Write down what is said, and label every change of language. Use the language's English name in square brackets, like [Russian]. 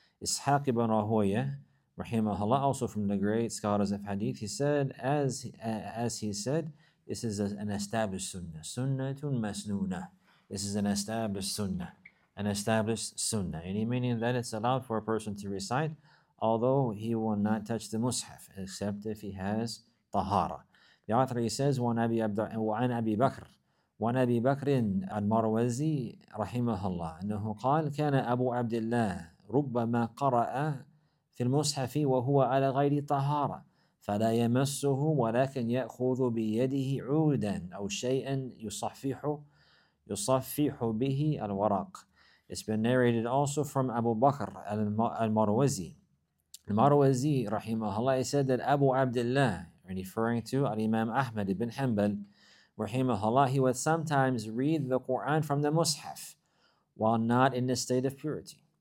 [English] Ishaq ibn Rahoya, rahimahullah, also from the great scholars of hadith, he said, as he said, this is an established sunnah. [Arabic] Sunnatun masnuna. [English] This is an established sunnah. An established sunnah. Any meaning that it's allowed for a person to recite, although he will not touch the mushaf, except if he has tahara. The author, he says, [Arabic] وَعَنْ أَبِي بَكْرٍ وَعَنْ أَبِي بَكْرٍ الْمَرْوَزِي رَحِمَهَ اللَّهِ أَنَّهُ قَالْ كَانَ أَبُو عَبْدِ اللَّهِ رُبَّمَا قَرَأَ فِي الْمُصْحَفِ وَهُوَ عَلَى غَيْرِ طَهَارَ فَلَا يَمَسُّهُ وَلَكَنْ يَأْخُذُ بِيَدِهِ عُودًا أَوْ شَيْئًا يُصَفِّحُ بِهِ الْوَرَقِ. [English] It's been narrated also from Abu Bakr al-Marwazi. Al-Marwazi, rahimahullah, he said that Abu Abdullah, referring to Imam Ahmad ibn Hanbal, rahimahullah, he would sometimes read the Quran from the Mus'haf while not in the state of purity.